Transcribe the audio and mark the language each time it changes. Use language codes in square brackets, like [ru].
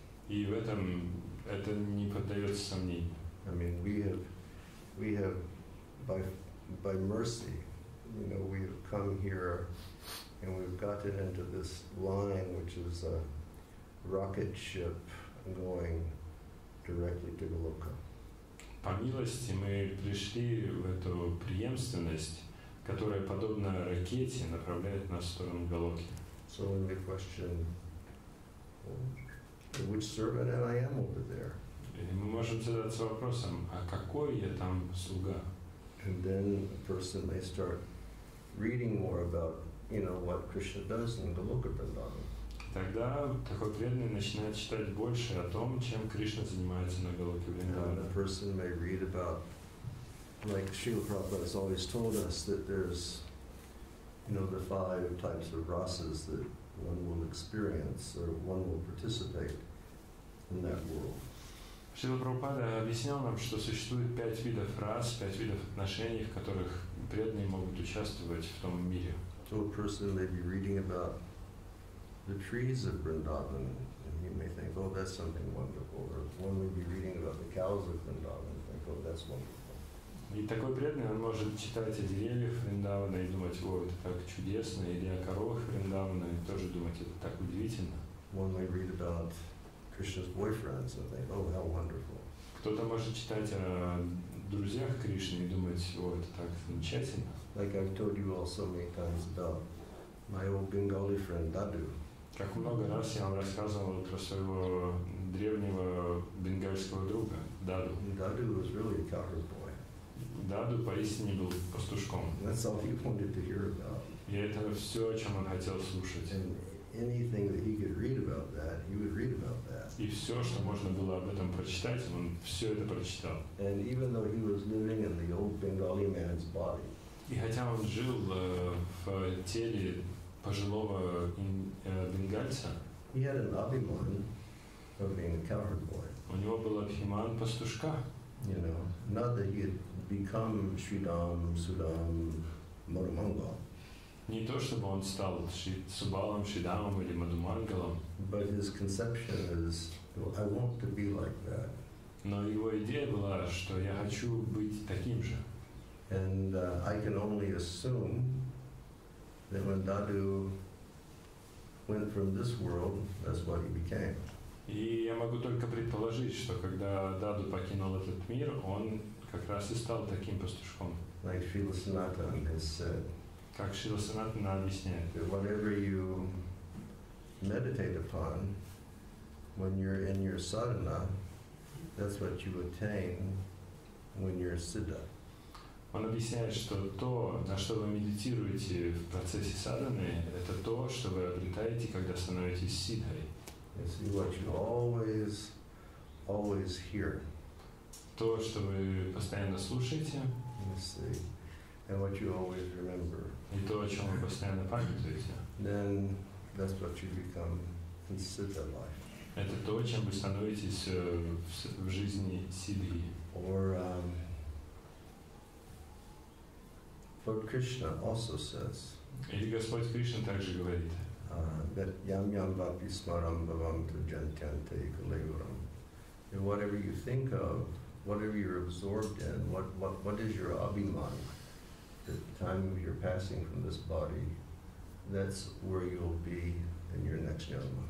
[ru] И в этом это не поддается сомнению. [en] I mean, we have by mercy, you know, we've come here and we've gotten into this line, which is a rocket ship going directly to Goloka. [ru] По милости мы пришли в эту преемственность, которая подобна ракете, направляет нас в сторону Голоки. [en] So in the question, which servant am I over there? [ru] И мы можем задаться вопросом, а какой я там слуга? [en] And then a person may start reading more about, you know, what Krishna does in Goloka Vrindavan. [ru] Тогда такой преданный начинает читать больше о том, чем Кришна занимается на Голоке Вриндаване. [en] And a person may read about, like Srila Prabhupada has always told us, that there's, you know, the five types of rasas that one will experience or one will participate in that world. [ru] Шрила Прабхупада объяснял нам, что существует пять видов рас, пять видов отношений, в которых преданные могут участвовать в том мире. [en] So a person may be reading about the trees of Vrindavan, and he may think, oh, that's something wonderful. Or one may be reading about the cows of Vrindavan and think, oh, that's wonderful. [ru] И такой преданный, он может читать о деревьях Вриндавана и думать, о, это так чудесно, или о коровах Вриндавана, и тоже думать, это так удивительно. [en] One may read about Krishna's boyfriends and think, oh, how wonderful. [ru] Кто-то может читать о друзьях Кришны и думать, о, это так замечательно. [en] Like I've told you all so many times about my old Bengali friend Dadu. [ru] Как много раз я вам рассказывал про своего древнего бенгальского друга Даду. [en] Dadu was really a cowherd boy. [ru] Даду поистине был пастушком. [en] That's all he wanted to hear about. [ru] И это все, о чем он хотел слушать. [en] And anything that he could read about that, he would read about that. [ru] И все, что можно было об этом прочитать, он все это прочитал. [en] And even though he was living in the old Bengali man's body. [ru] И хотя он жил в теле пожилого бенгальца, [en] he had an abhiman of being a cowherd boy. [ru] У него был абхиман пастушка. [en] You know, not that he had become Shridam, Sudam, Madhumangalam. [ru] Не то, чтобы он стал Субалом, Шридамом или Мадхумангалом. [en] But his conception is, well, I want to be like that. [ru] Но его идея была, что я хочу быть таким же. [en] And I can only assume that when Dadu went from this world, that's what he became. [ru] И я могу только предположить, что когда Даду покинул этот мир, он как раз и стал таким пастушком. [en] Like Srila Sanatana has said. [ru] Как Шрила Санатана объясняет. [en] That whatever you meditate upon when you're in your sadhana, that's what you attain when you're a siddha. [ru] Он объясняет, что то, на что вы медитируете в процессе садханы, это то, что вы обретаете, когда становитесь сиддхой. [en] You see, what you always, always hear. [ru] То, что вы постоянно слушаете. [en] You see, and what you always remember. [ru] И то, о чем вы постоянно памятуете. [en] Then that's what you become in siddha life. [ru] Это то, чем вы становитесь в жизни сиддхи. [en] Or, Lord Krishna also says. [ru] Или Господь Кришна также говорит. [sa] That yam yam vapi smaram bhavam tu jantyante kalayuram. [en] And whatever you think of, whatever you're absorbed in, what is your abhiman? The time of your passing from this body, that's where you'll be in your next yama.